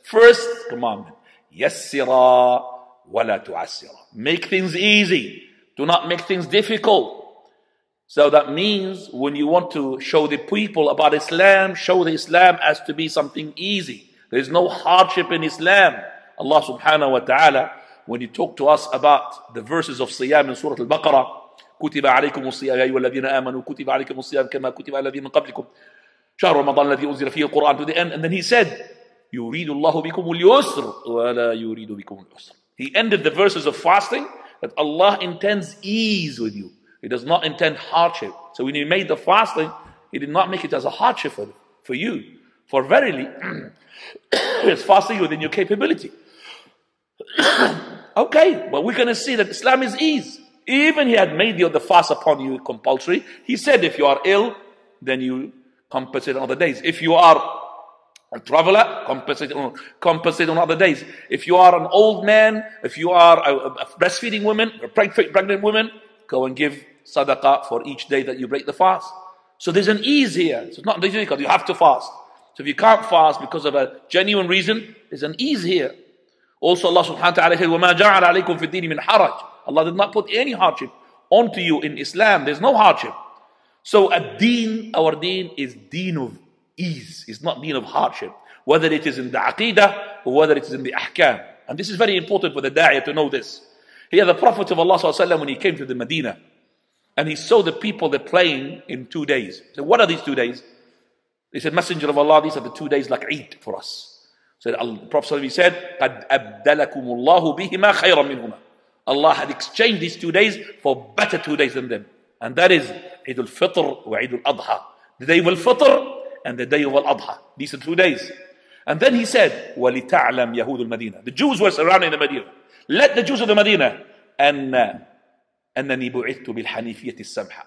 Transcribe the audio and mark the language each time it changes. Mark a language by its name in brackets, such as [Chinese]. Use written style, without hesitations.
[English] First commandment, [Arabic] yassira wa la tu'assira. [English] Make things easy, do not make things difficult. So that means when you want to show the people about Islam, show the Islam as to be something easy. There is no hardship in Islam. Allah subhanahu wa ta'ala, when He talked to us about the verses of Siyam in Surah Al-Baqarah, [Arabic] كُتِبَ عَلَيْكُمُ الصِّيَامُ أَيُّهَا الَّذِينَ آمَنُوا كُتِبَ عَلَيْكُمُ الصِّيَامُ كَمَا كُتِبَ عَلَى الَّذِينَ مِنْ قَبْلِكُمْ شَهْرُ رَمَضَانَ الَّذِي أُنْزِلَ فِيهِ الْقُرْآنُ [English] to the end. And then he said, [Arabic] يُرِيدُ اللَّهُ بِكُمُ الْيُسْرَ وَلَا يُرِيدُ بِكُمُ الْعُسْرَ. [English] He ended the verses of fasting that Allah intends ease with you. He does not intend hardship. So when he made the fasting, he did not make it as a hardship for you. For verily, it's fasting within your capability. Okay, but we're going to see that Islam is ease. Even he had made the fast upon you compulsory. He said, if you are ill, then you compensate on other days. If you are a traveler, compensate on other days. If you are an old man, if you are a breastfeeding woman, a pregnant woman, go and give sadaqah for each day that you break the fast. So there's an ease here. So it's not difficult. You have to fast. So if you can't fast because of a genuine reason, there's an ease here. Also Allah subhanahu wa ta'ala said, [Arabic] وَمَا جَعَلَ عَلَيْكُمْ فِي الدِّينِ مِنْ حَرَجٍ. [English] Allah did not put any hardship onto you in Islam. There's no hardship. So our deen is deen of ease. It's not deen of hardship. Whether it is in the aqidah or whether it is in the ahkam. And this is very important for the da'iyah to know this. Here the Prophet of Allah sallallahu alayhi wa sallam, when he came to the Medina, and he saw the people, they're playing in 2 days. He said, what are these 2 days? He said, Messenger of Allah, these are the 2 days like Eid for us. So the Prophet ﷺ said, [Arabic] قَدْ أَبْدَلَكُمُ اللَّهُ بِهِمَا خَيْرًا مِنْهُمَا. [English] Allah had exchanged these 2 days for better 2 days than them. And that is Eid al-Fitr wa Eid al-Adha. The day of al-Fitr and the day of al-Adha. These are 2 days. And then he said, [Arabic] وَلِتَعْلَمْ يَهُودُ الْمَدِينَةِ. [English] The Jews were surrounding the Medina. Let the Jews of the Medina [Arabic] أَنَّنِي بُعِثْتُ بِالْحَنِيفِيَةِ السَّمْحَةِ.